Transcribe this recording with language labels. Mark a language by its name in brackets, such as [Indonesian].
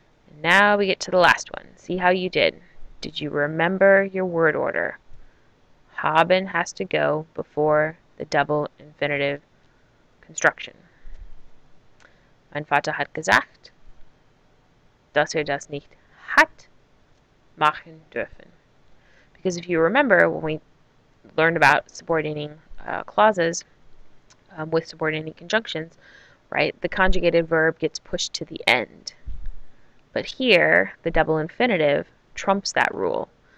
[English] And now we get to the last one. See how you did. Did you remember your word order? Haben has to go before the double infinitive construction. [German] Mein Vater hat gesagt, dass das nicht hat machen dürfen. [English] Because if you remember, when we learned about subordinating clauses with subordinating conjunctions, right? The conjugated verb gets pushed to the end. But here, the double infinitive trumps that rule.